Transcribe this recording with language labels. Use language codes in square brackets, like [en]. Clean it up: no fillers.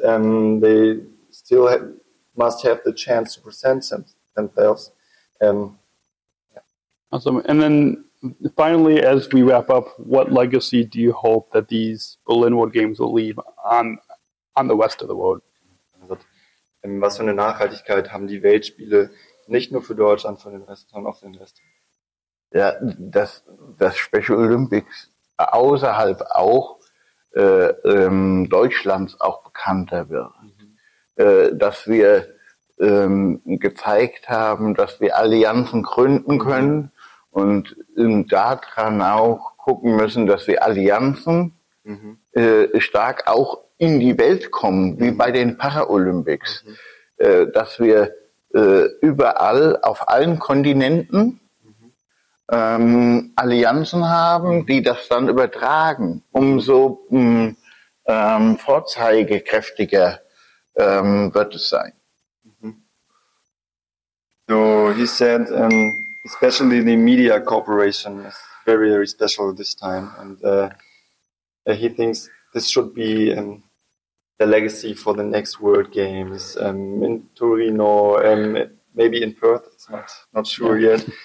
[en] They still must have the chance to present themselves. Yeah. Awesome. And then finally, as we wrap up, what legacy do you hope that these Berlin World Games will leave on the west of the world? [de] Was für eine Nachhaltigkeit haben die Weltspiele nicht nur für Deutschland, für den Rest, sondern auch für den Rest? Ja, dass Special Olympics außerhalb auch Deutschlands auch bekannter wird. Mhm. Dass wir gezeigt haben, dass wir Allianzen gründen können und daran auch gucken müssen, dass wir Allianzen stark auch in die Welt kommen, wie bei den Paralympics, dass wir überall auf allen Kontinenten Allianzen haben, die das dann übertragen, um so vorzeigekräftiger wird es sein. [en] So he said, especially the media cooperation is very, very special this time, and he thinks this should be the legacy for the next World Games in Torino, maybe in Perth, it's not sure yet.